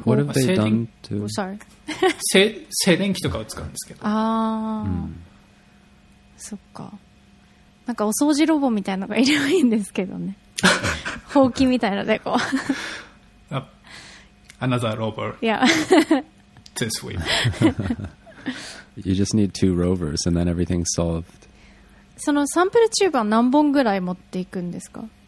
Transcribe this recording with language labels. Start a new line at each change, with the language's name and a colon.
Japanese: 方法、静電気、oh,
English: sorry.
Japanese: 静電気とかを使うんですけど。ああ、そっか。なんかお掃除ロボみたいなのがいればいいんですけどね。ほうきみたいなでこう。
English: Another rover. Yeah. This week. You just need two rovers and then everything's solved.
Japanese: そのサンプルチューブは何本ぐらい持っていくんですか。